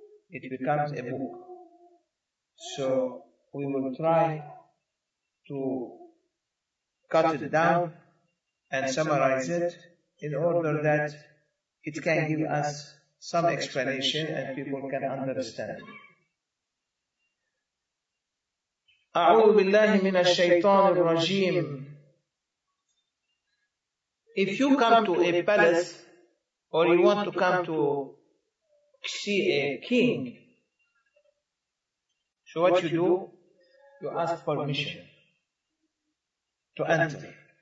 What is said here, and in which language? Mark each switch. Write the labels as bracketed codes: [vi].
[en] It becomes a book. So, we will try to cut it down and summarize it in order that it can give us some explanation and people can understand. [ar] أعوذ بالله من الشيطان الرجيم. [en] If you come to a palace or you want to come to see a king, so what you do? You ask permission to enter.